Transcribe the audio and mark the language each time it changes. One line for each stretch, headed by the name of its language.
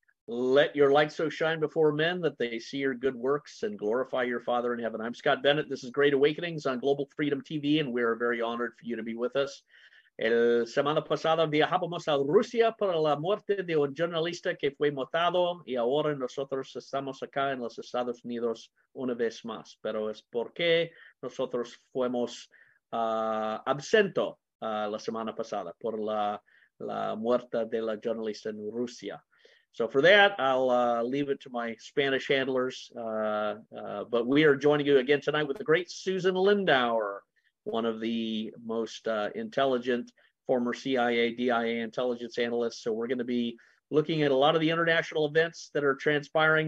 English: Let your light so shine before men that they see your good works and glorify your Father in heaven. I'm Scott Bennett. This is Great Awakenings on Global Freedom TV, and we are very honored for you to be with us.
Spanish: El semana pasada viajamos a Rusia para la muerte de un jornalista que fue matado, y ahora nosotros estamos acá en los Estados Unidos una vez más. Pero es porque nosotros fuimos absento la semana pasada por la muerte de la jornalista en Rusia.
English: So for that, I'll leave it to my Spanish handlers. But we are joining you again tonight with the great Susan Lindauer, one of the most intelligent former CIA, DIA intelligence analysts. So we're going to be looking at a lot of the international events that are transpiring.